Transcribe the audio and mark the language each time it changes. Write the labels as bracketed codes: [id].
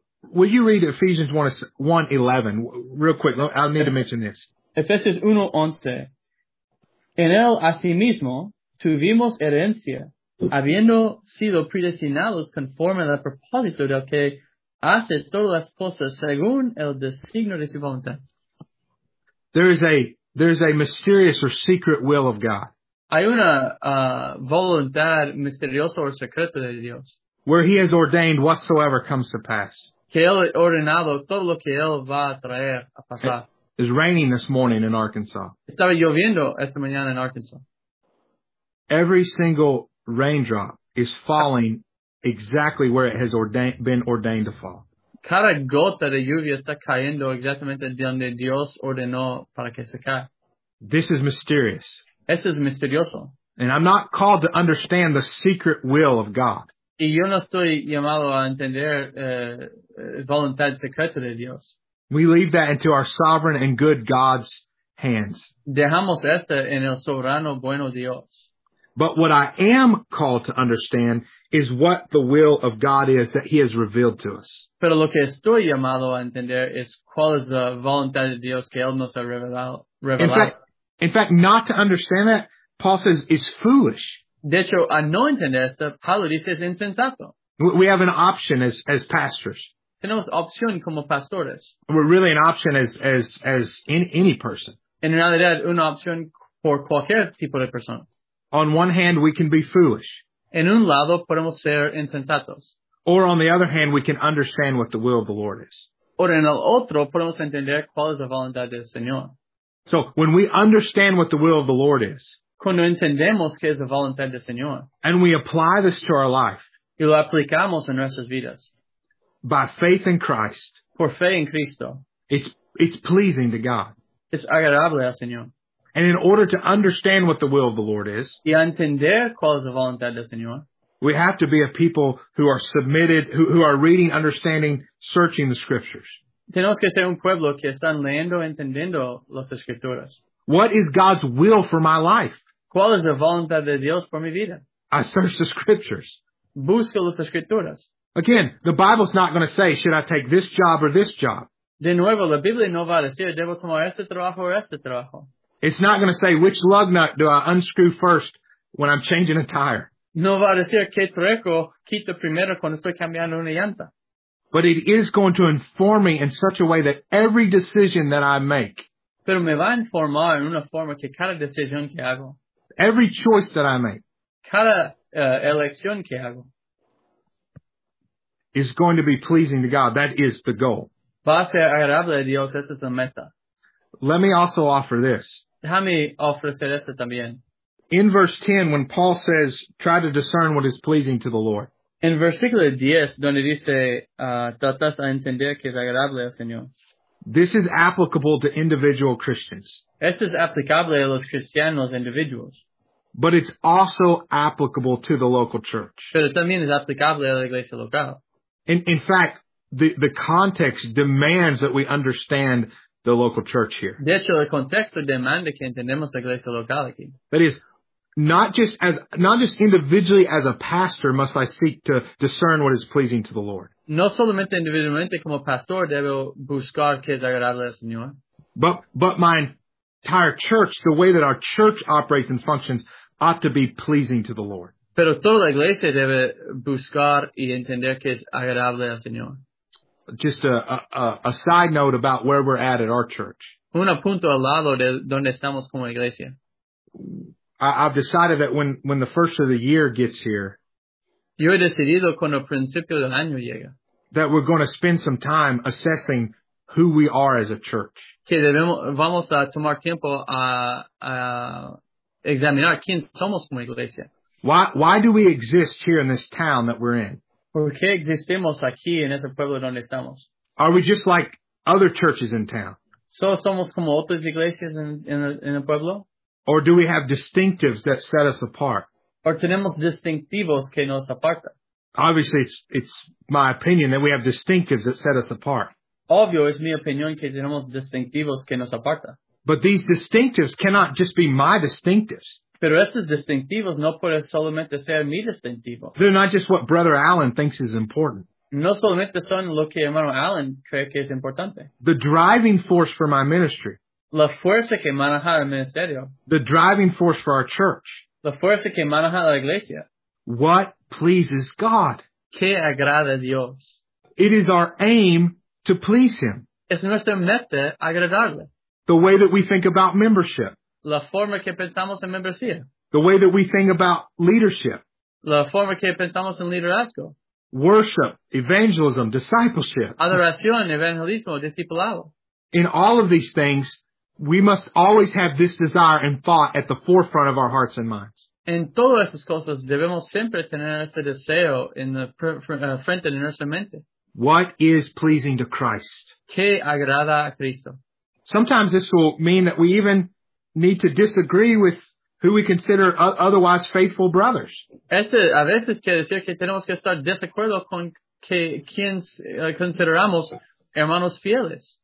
[en] Will you read Ephesians 1:11 real quick? I need to mention this. [es] Efesios 1:11. En él asimismo tuvimos herencia, habiendo sido predestinados conforme al propósito del que hace todas las cosas según el designio de su voluntad. [en] There is a mysterious or secret will of God. [es] Hay una voluntad misteriosa o secreta de Dios. [en] Where he has ordained whatsoever comes to pass. [es] Que él ordenado todo lo que él va a traer a pasar. [en] It's raining this morning in Arkansas. [es] Estaba lloviendo esta mañana en Arkansas. [en] Every single raindrop is falling exactly where it has been ordained to fall. [es] Cada gota de lluvia está cayendo exactamente donde Dios ordenó para que se caiga. [en] This is mysterious. [es] Eso es misterioso. [en] And I'm not called to understand the secret will of God. [es] Y yo no estoy llamado a entender voluntad secreta de Dios. [en] We leave that into our sovereign and good God's hands. [es] Dejamos esto en el soberano bueno Dios. [en] But what I am called to understand is what the will of God is that he has revealed to us. [es] Pero lo que estoy llamado a entender es cuál es la voluntad de Dios que él nos ha revelado. [en] In fact, not to understand that, Paul says, is foolish. [es] De hecho, a no entender esto, Pablo dice es insensato. [en] We have an option as pastors. [es] Tenemos opción como pastores. [en] We're really an option as in any person. [es] En realidad, una opción por cualquier tipo de persona. [en] On one hand, we can be foolish. [es] En un lado, podemos ser insensatos. [en] Or on the other hand, we can understand what the will of the Lord is. [es] O en el otro, podemos entender cuál es la voluntad del Señor. [en] So, when we understand what the will of the Lord is, [es] cuando entendemos qué es la voluntad del Señor, [en] and we apply this to our life, [es] y lo aplicamos en nuestras vidas, [en] by faith in Christ, [es] por fe en Cristo, [en] it's pleasing to God. [es] Es agradable al Señor. [en] And in order to understand what the will of the Lord is, [es] y entender cuál es la voluntad del Señor, [en] we have to be a people who are submitted, who are reading, understanding, searching the Scriptures. [es] Tenemos que ser un pueblo que están leyendo, entendiendo las Escrituras. [en] What is God's will for my life? [es] ¿Cuál es la voluntad de Dios por mi vida? [en] I search the Scriptures. [es] Busco las Escrituras. [en] Again, the Bible's not going to say, should I take this job or this job? [es] De nuevo, la Biblia no va a decir, ¿debo tomar este trabajo o este trabajo? [en] It's not going to say, which lug nut do I unscrew first when I'm changing a tire? [es] No va a decir, ¿qué treco quito primero cuando estoy cambiando una llanta? [en] But it is going to inform me in such a way that every decision that I make, [es] pero me va a informar en una forma que cada decisión que hago, [en] every choice that I make, [es] cada elección que hago, [en] is going to be pleasing to God. That is the goal. [es] Va a ser agradable a Dios. Esa es la meta. [en] Let me also offer this. [es] Déjame ofrecer esto también. [en] In verse 10, when Paul says, try to discern what is pleasing to the Lord, [es] en versículo 10, donde dice, tratas a entender que es agradable al Señor. [en] This is applicable to individual Christians. [es] Esto es aplicable a los cristianos individuos. [en] But it's also applicable to the local church. [es] Pero también es aplicable a la iglesia local. [en] In fact, the context demands that we understand the local church here. [es] De hecho, el contexto demanda que entendemos la iglesia local aquí. [en] That is, Not just individually as a pastor must I seek to discern what is pleasing to the Lord. [es] No solamente individualmente como pastor debo buscar qué es agradable al Señor. [en] But my entire church, the way that our church operates and functions, ought to be pleasing to the Lord. [es] Pero toda la iglesia debe buscar y entender qué es agradable al Señor. [en] Just a side note about where we're at our church. [es] Un apunto al lado de donde estamos como iglesia. [en] I've decided that when the first of the year gets here, [es] yo he decidido cuando el principio del año llega, [en] that we're going to spend some time assessing who we are as a church. [es] Que debemos, vamos a tomar tiempo a examinar quién somos como iglesia. [en] Why do we exist here in this town that we're in? [es] ¿Por qué existimos aquí en ese pueblo donde estamos? [en] Are we just like other churches in town? [es] So somos como otras iglesias en el pueblo? [en] Or do we have distinctives that set us apart? [es] Or tenemos distintivos que nos aparta. [en] Obviously, it's my opinion that we have distinctives that set us apart. [es] Obvio, es mi opinión que tenemos distintivos que nos aparta. [en] But these distinctives cannot just be my distinctives. [es] Pero estos distintivos no pueden solamente ser mi distintivo. [en] They're not just what Brother Allen thinks is important. [es] No solamente son lo que hermano Allen cree que es importante. [en] The driving force for my ministry, [es] la fuerza que maneja el ministerio. [en] The driving force for our church. [es] La fuerza que maneja la iglesia. [en] What pleases God. [es] Que agrada a Dios. [en] It is our aim to please Him. [es] Es nuestra meta agradarle. [en] The way that we think about membership. [es] La forma que pensamos en membresía. [en] The way that we think about leadership. [es] La forma que pensamos en liderazgo. [en] Worship, evangelism, discipleship. [es] Adoración, evangelismo, discipulado. [en] In all of these things, we must always have this desire and thought at the forefront of our hearts and minds. [es] En todas estas cosas, debemos siempre tener este deseo en la frente de nuestra mente. [en] What is pleasing to Christ? [es] ¿Qué agrada a Cristo? [en] Sometimes this will mean that we even need to disagree with who we consider otherwise faithful brothers. [es] Este a veces quiere decir que tenemos que estar desacuerdo con que quienes consideramos hermanos fieles.